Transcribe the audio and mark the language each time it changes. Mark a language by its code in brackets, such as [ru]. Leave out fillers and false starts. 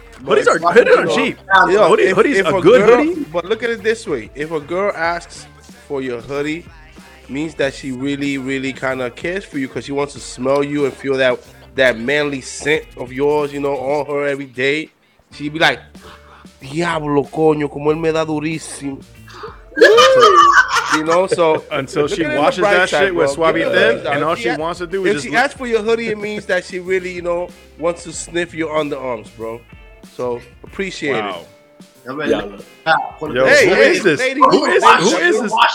[en] Hoodies are cheap. Hoodies are cheap. Yo, hoodies, if a good girl, hoodie. But look at it this way. If a girl asks for your hoodie, means that she really, really kind of cares for you because she wants to smell you and feel that manly scent of yours, you know, on her every day. She'd be like, [es] Diablo, coño, como él me da durísimo. [en] You know, so until she washes that shit with Swabby Thin, and all she wants to do is. If she asks for your hoodie, it means that she really, you know, wants to sniff your underarms, bro. So appreciate it. Yeah. Yo, who is this? Who is this?